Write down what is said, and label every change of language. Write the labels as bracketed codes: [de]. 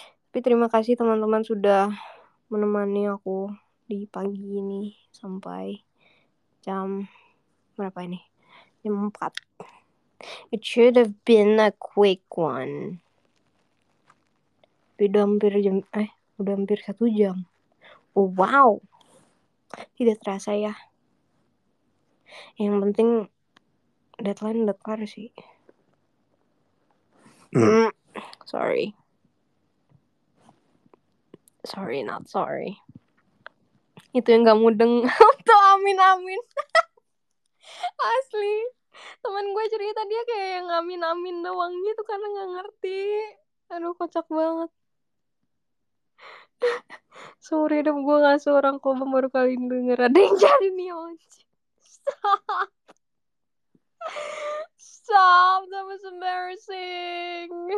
[id] Tapi terima kasih teman-teman sudah menemani aku di pagi ini sampai jam berapa ini? Jam 4. [en] It should have been a quick one. [id] Udah hampir jam, udah hampir 1 jam. Oh, wow. Tidak terasa ya. Yang penting deadline udah kelar sih. [en] Sorry. [id] Sorry, not sorry. Itu yang gak mudeng. Tuh, amin-amin. Asli. Temen gue cerita dia kayak yang amin-amin doang gitu karena gak ngerti. Aduh, kocak banget. Seumur hidup gue gak seorang kobam, baru kali ini denger ada yang jadi Neonci. [en] Stop. Stop, that was embarrassing.